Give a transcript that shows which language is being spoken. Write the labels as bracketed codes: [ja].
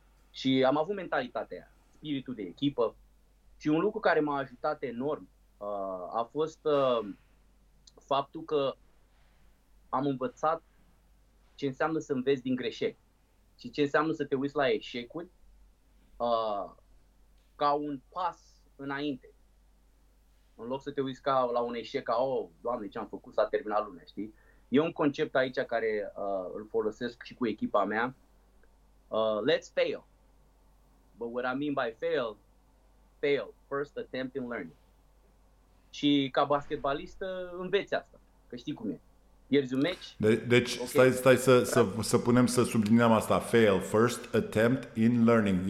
[ro] Și am avut mentalitatea aia, spiritul de echipă. Și un lucru care m-a ajutat enorm a fost faptul că am învățat ce înseamnă să înveți din greșeli și ce înseamnă să te uiți la eșecuri ca un pas înainte. În loc să te uiți ca la un eșec, ca, oh, Doamne, ce am făcut, s-a terminat lumea, știi? E un concept aici care îl folosesc și cu echipa mea. [en] Let's fail. But what I mean by fail, first attempt in learning. [ro] Și ca basketbalist înveți asta, că știi cum e. Ieri un meci. Deci okay. stai să punem, să subliniem asta. [en] Fail first attempt in learning.